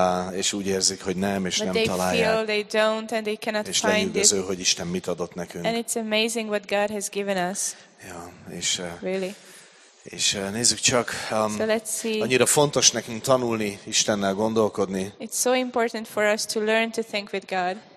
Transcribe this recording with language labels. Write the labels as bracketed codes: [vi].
[hu] És úgy érzik, hogy nem, és nem találják. És lenyűgöző, hogy Isten mit adott nekünk. [en] And it's amazing what God has given us. Really. [hu] És nézzük csak, annyira fontos nekünk tanulni Istennel gondolkodni. [en] It's so important for us to learn to think with God.